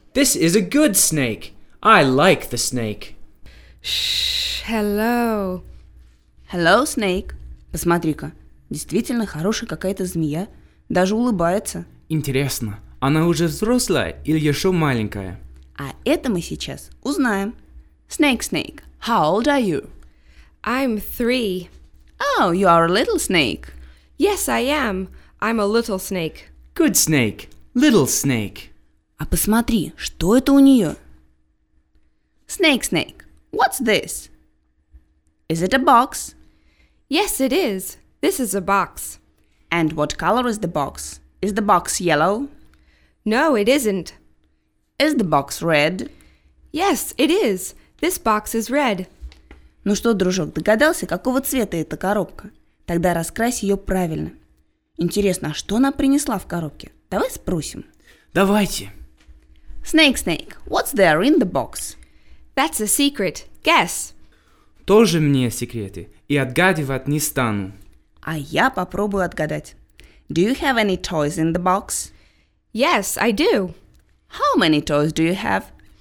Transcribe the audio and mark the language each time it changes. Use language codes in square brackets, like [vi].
[en] This is a good snake. I like the snake. Shh, hello. Hello, snake. [ru] Посмотри-ка, действительно хорошая какая-то змея. Даже улыбается. Интересно, она уже взрослая или еще маленькая? А это мы сейчас узнаем. [en] Snake, snake, how old are you? I'm 3. Oh, you are a little snake. Yes, I am. I'm a little snake. Good snake. Little snake. [ru] А посмотри, что это у нее? [en] Snake, snake. What's this? Is it a box? Yes, it is. This is a box. And what color is the box? Is the box yellow? No, it isn't. Is the box red? Yes, it is. This box is red. [ru] Ну что, дружок, догадался, какого цвета эта коробка? Тогда раскрась ее правильно. Интересно, а что она принесла в коробке? Давай спросим. Давайте. [en] Snake, snake, what's there in the box? That's a secret. Guess. [ru] Тоже мне секреты, и отгадывать не стану. А я попробую отгадать. [en] Do you have any toys in the box? Yes, I do. How many toys do you have?